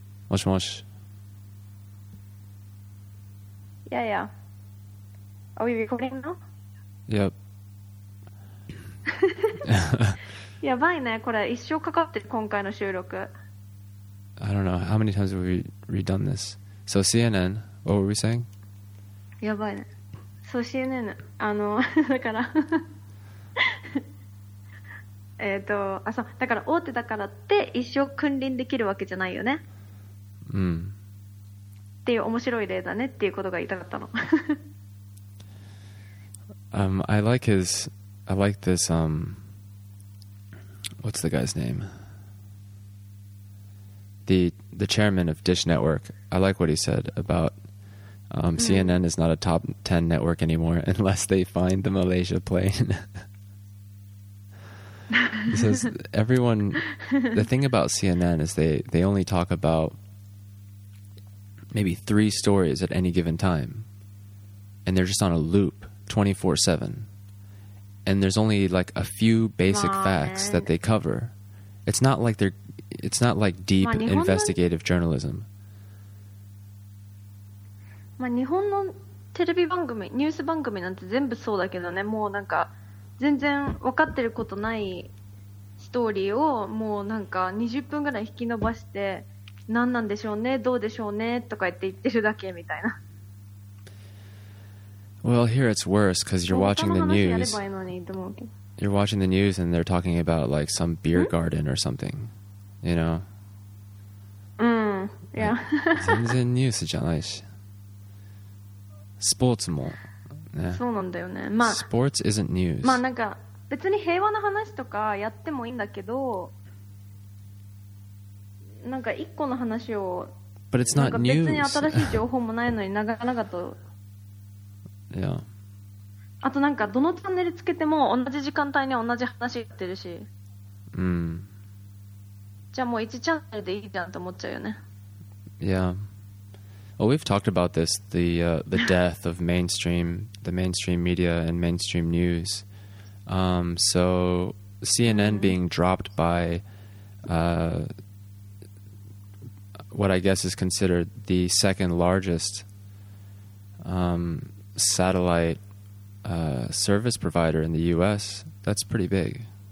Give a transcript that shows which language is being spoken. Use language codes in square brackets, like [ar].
[ja] もしもし、いやいや、 [en] Are we recording now? Yep. [ja] やばいね、これ一生かかってる今回の収録。 [en] I don't know how many times have we redone this. So CNN, what were we saying? [ja] やばいね。 So CNN あのだからあ、そう、だから大手だからって一生君臨できるわけじゃないよね。うん。っていう面白い例だねっていうことが言いたかったの。 [en] I like his, I like this, what's the guy's name? The chairman of Dish Network. I like what he said about, CNN is not a top 10 network anymore unless they find the Malaysia plane. He says everyone. The thing about CNN is they only talk about maybe three stories at any given time, and they're just on a loop 24/7. And there's only like a few basic facts that they cover. It's not like it's not like deep investigative journalism. [ja] まあ日本のテレビ番組、ニュース番組なんて全部そうだけどね。もうなんか全然分かってることない。ストーリーをもうなんか20分ぐらい引き延ばして、何なんでしょうね、どうでしょうねとか言ってるだけみたいな。 [en] Well, here it's worse because you're watching the news. [ja] やればいいのにと思うけど。 [en] You're watching the news and they're talking about like some beer garden or something, you know? Yeah. [ja] 全然ニュースじゃないし。スポーツも。ね。そうなんだよね。まあ。 [en] Sports isn't news. [ja] まあなんか。別に平和な話とかやってもいいんだけど、なんか一個の話を、 [en] But it's not news. [ja] なんか別に新しい情報もないのに長々と、 [en] yeah. [ja] あとなんかどのチャンネルつけても同じ時間帯に同じ話やってるし、じゃあもう1チャンネルでいいじゃんと思っちゃうよね。 [en] Yeah. Well, we've talked about this, the death of mainstream, the mainstream media and mainstream news. So CNN being dropped by what I guess is considered the second largest satellite service provider in the US, that's pretty big.